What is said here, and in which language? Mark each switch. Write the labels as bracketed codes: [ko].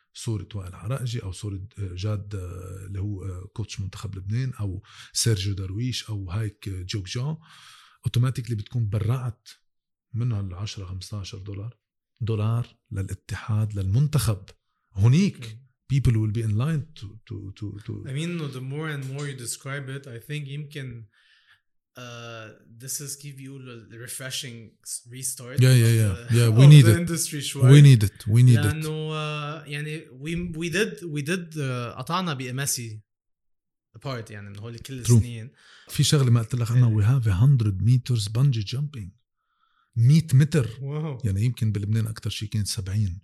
[ar] صورة وائل عرقجي أو صورة جاد اللي هو كوتش منتخب لبنان أو سيرجيو درويش أو هايك جوك جان، أوتوماتيكلي بتكون برعت منها العشرة 15 دولار للاتحاد للمنتخب هنيك. [en] People will be in line to I mean, the more and more you describe it, I think يمكن this is give you a refreshing restart. Yeah. We need it. Industry, we need it. [ar] لأنه يعني we did قطعنا بأماسي apart يعني من هول كل السنين. في شغلة ما قلت لك أنا [en] we have 100 meters bungee jumping. [ar] 100 متر. واو. يعني يمكن بلبنان أكتر شيء كانت 70.